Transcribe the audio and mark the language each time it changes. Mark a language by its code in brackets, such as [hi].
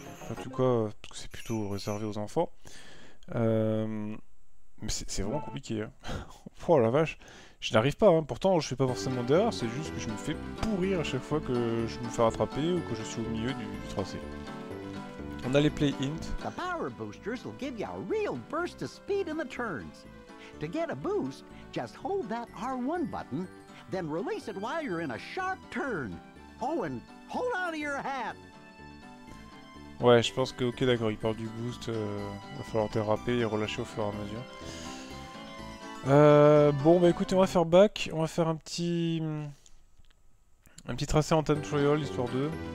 [fr] En tout cas, parce que c'est plutôt réservé aux enfants. Mais c'est vraiment compliqué. Hein. Oh la vache, je n'arrive pas. Hein. Pourtant, je fais pas forcément d'erreur. C'est juste que je me fais pourrir à chaque fois que je me fais rattraper ou que je suis au milieu du tracé. On a les play int. [en] The power boosters will give you a real burst of speed in the turns. To get a boost, just hold that R1 button, then release it while you're in a sharp turn. Oh, and hold on to your hat. [fr] Ouais, je pense que, ok, d'accord, il part du boost, va falloir déraper et relâcher au fur et à mesure. Bon, bah écoutez, on va faire back, on va faire un petit tracé en time trial, histoire de...